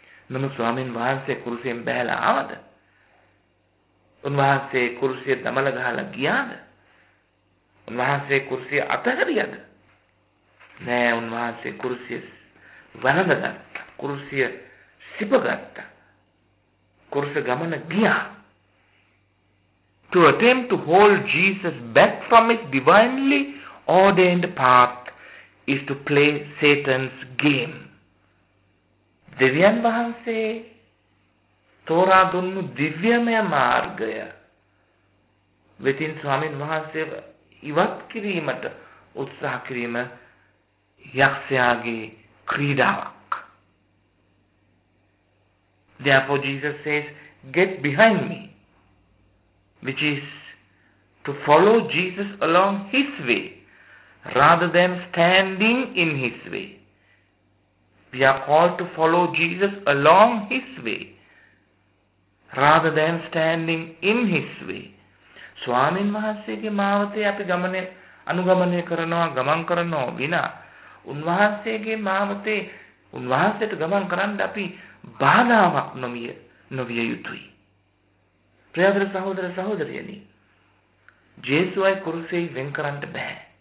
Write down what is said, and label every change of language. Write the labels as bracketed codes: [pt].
[si] නමු ස්වාමීන් වහන්සේ කුරුසයෙන් බැහැලා ආවද? උන්වහන්සේ කුරුසිය දමල ගහලා ගියාද? උන්වහන්සේ කුරුසිය අතහැරියද? නෑ, උන්වහන්සේ කුරුසිය වරඳගත්තා, කුරුසිය සිපගත්තා, කුරුස ගමන ගියා. [en] To attempt to hold Jesus back from his divinely ordained path is to play Satan's game. [si] දෙවියන් වහන්සේ තෝරා දුන්නු දිව්‍යමය මාර්ගය වෙතින් ස්වාමීන් වහන්සේව ඉවත් කිරීමට උත්සාහ කිරීම යක්ෂයාගේ ක්‍රීඩාවක්. [en] Therefore Jesus says, "Get behind me," which is to follow Jesus along his way rather than standing in his way. We are called to follow Jesus along his way rather than standing in his way. [si] ස්වාමීන් වහන්සේගේ මාවතේ අපි ගමනේ අනුගමනය කරනවා, ගමන් කරනවා විනා උන්වහන්සේගේ මාවතේ උන්වහන්සේට ගමන් කරන්න අපි බාධාවක් නොවිය යුතුයි. ප්‍රියදර සහෝදර සහෝදරියනි, ජේසුයි කුරුසෙයි වෙන් කරන්න බෑ.